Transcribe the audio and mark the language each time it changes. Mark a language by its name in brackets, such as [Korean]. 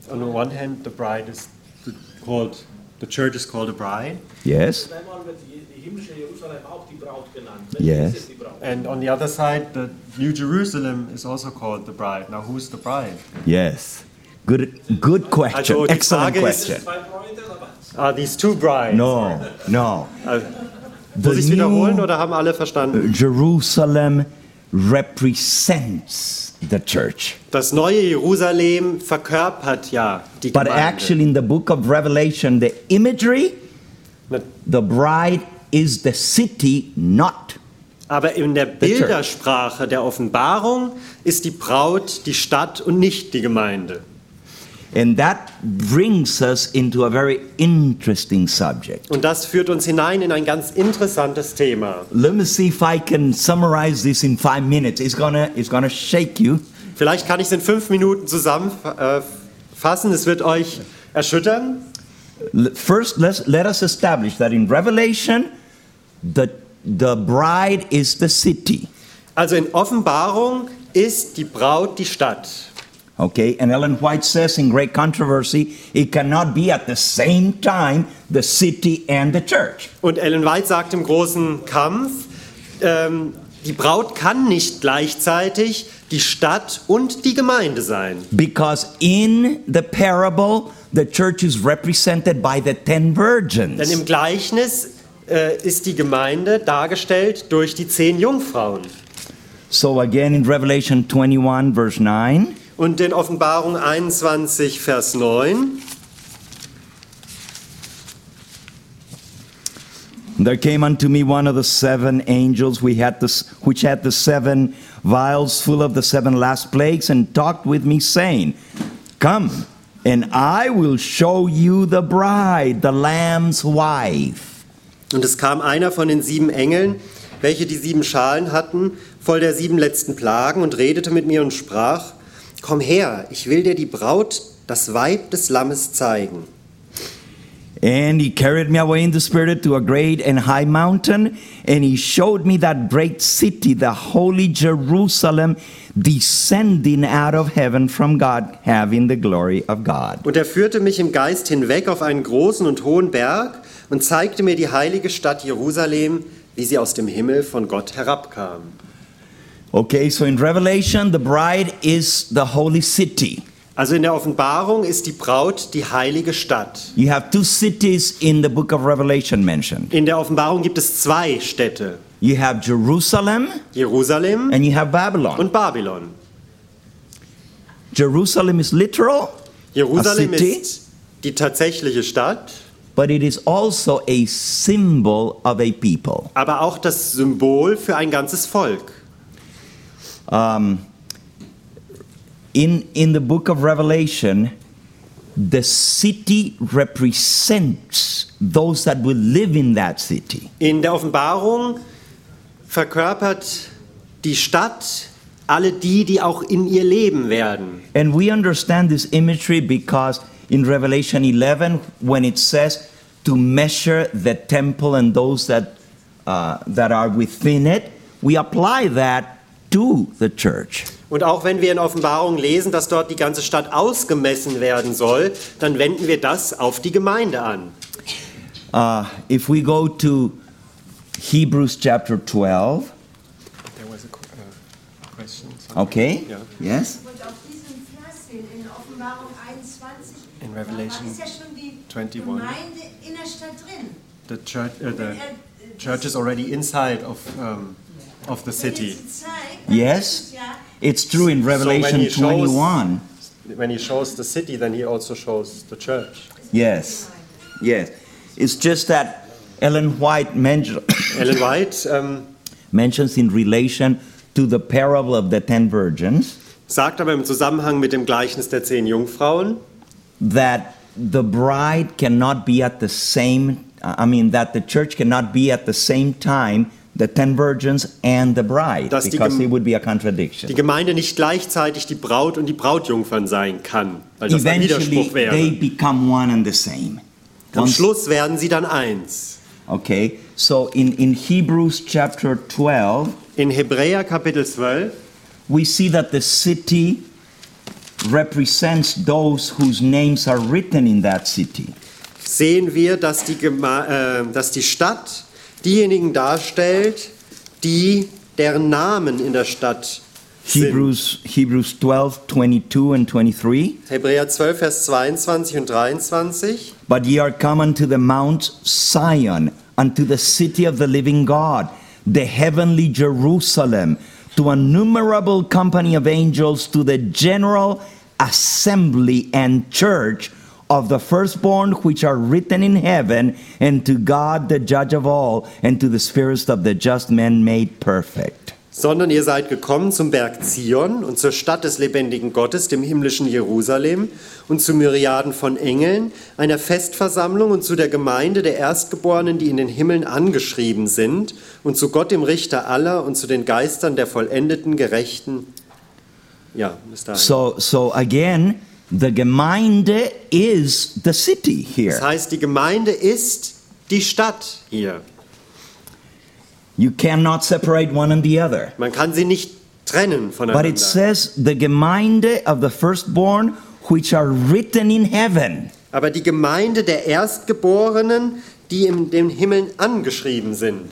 [English] On the one hand, the bride is called, the church is called a bride. Yes. [German] Und einmal wird die himmlische Jerusalem auch die Braut genannt. Yes. [English] And on the other side, the New Jerusalem is also called the bride. Now, who is the bride? Yes. Good question. Also, excellent question. Are these two brides? No. [German] Muss ich wiederholen oder haben alle verstanden? [English] Jerusalem represents the church. [German] Das neue Jerusalem verkörpert ja die Gemeinde. [English] But actually in the book of Revelation the imagery, the bride is the city, not. [German] Aber in der Bildersprache der Offenbarung ist die Braut die Stadt und nicht die Gemeinde. [English] And that brings us into a very interesting subject. [German] Und das führt uns hinein in ein ganz interessantes Thema. [English] Let me see if I can summarize this in 5 minutes. It's gonna shake you. [German] Vielleicht kann ich es in 5 Minuten zusammenfassen. Es wird euch erschüttern. [English] First, let us establish that in Revelation, the bride is the city. [German] Also in Offenbarung ist die Braut die Stadt. [English] Okay, and Ellen White says in Great Controversy, it cannot be at the same time the city and the church. [German] Und Ellen White sagt im großen Kampf, die Braut kann nicht gleichzeitig die Stadt und die Gemeinde sein. [English] Because in the parable, the church is represented by the 10 virgins. [German] Denn im Gleichnis ist die Gemeinde dargestellt durch die 10 Jungfrauen. [English] So again in Revelation 21, verse 9. [German] Und in Offenbarung 21, Vers 9. [English] There came unto me one of the 7 angels which had the 7 vials full of the 7 last plagues and talked with me, saying, Come, and I will show you the bride, the Lamb's wife. [German] Und es kam einer von den 7 Engeln, welche die 7 Schalen hatten, voll der 7 letzten Plagen, und redete mit mir und sprach, Komm her, ich will dir die Braut, das Weib des Lammes, zeigen. [English] And he carried me away in the spirit to a great and high mountain, and he showed me that great city, the holy Jerusalem, descending out of heaven from God, having the glory of God. [German] Und er führte mich im Geist hinweg auf einen großen und hohen Berg und zeigte mir die heilige Stadt Jerusalem, wie sie aus dem Himmel von Gott herabkam. [English] Okay, so in Revelation, the bride is the holy city. [German] Also in der Offenbarung ist die Braut die heilige Stadt. [English] You have 2 cities in the book of Revelation mentioned. [German] In der Offenbarung gibt es 2 Städte. [English] You have Jerusalem. [German] Jerusalem. [English] And you have Babylon. [German] Und Babylon. [English] Jerusalem is literal. [German] Jerusalem ist die tatsächliche Stadt. [English] But it is also a symbol of a people. [German] Aber auch das Symbol für ein ganzes Volk. [English] In the book of Revelation, the city represents those that will live in that city. [German] In der Offenbarung verkörpert die Stadt alle die, die auch in ihr leben werden. [English] And we understand this imagery because in Revelation 11, when it says to measure the temple and those that that are within it, we apply that to the church. [German] Und auch wenn wir in Offenbarung lesen, dass dort die ganze Stadt ausgemessen werden soll, dann wenden wir das auf die Gemeinde an. [English] If we go to Hebrews chapter 12. There was a question. Okay. Yeah. Yes. [German] Und auf diesem Vers sehen, in Offenbarung 21, [English] in Revelation [German] da ist ja schon die 21. Gemeinde in der Stadt drin. [English] The church is already inside of the city. Yes, it's true in Revelation 21. When he shows the city, then he also shows the church. Yes, yes. It's just that Ellen White mentions in relation to the parable of the 10 virgins. [German] Sagt aber im Zusammenhang mit dem Gleichnis der 10 Jungfrauen, [English] that the bride cannot be at the same. I mean that the church cannot be at the same time. The 10 virgins and the bride, because it would be a contradiction. [German] Die Gemeinde nicht gleichzeitig die Braut und die Brautjungfern sein kann, weil das [English] eventually [German] ein Widerspruch wäre. [English] They become one and the same. [German] Am Schluss werden sie dann eins. [English] Okay, so in Hebrews chapter 12, [German] in Hebräer Kapitel 12, [English] we see that the city represents those whose names are written in that city. [German] Sehen wir, dass die Stadt diejenigen darstellt, die deren Namen in der Stadt [English] Hebrews 12, 22 and 23. [German] Hebräer 12, Vers 22 und 23. [English] But ye are come unto the Mount Zion, unto the city of the living God, the heavenly Jerusalem, to an innumerable company of angels, to the general assembly and church of the firstborn which are written in heaven, and to God the judge of all, and to the spirits of the just men made perfect. [German] Sondern ihr seid gekommen zum Berg Zion und zur Stadt des lebendigen Gottes, dem himmlischen Jerusalem, und zu Myriaden von Engeln, einer Festversammlung und zu der Gemeinde der Erstgeborenen, die in den Himmeln angeschrieben sind, und zu Gott, dem Richter aller, und zu den Geistern der vollendeten Gerechten. Ja, bis dahin. [English] So again, the Gemeinde is the city here. [German] Das heißt, die Gemeinde ist die Stadt hier. [English] You cannot separate one and the other. [German] Man kann sie nicht trennen voneinander. [English] But it says the Gemeinde of the firstborn which are written in heaven. [German] Aber die Gemeinde der Erstgeborenen, die in den Himmeln angeschrieben sind.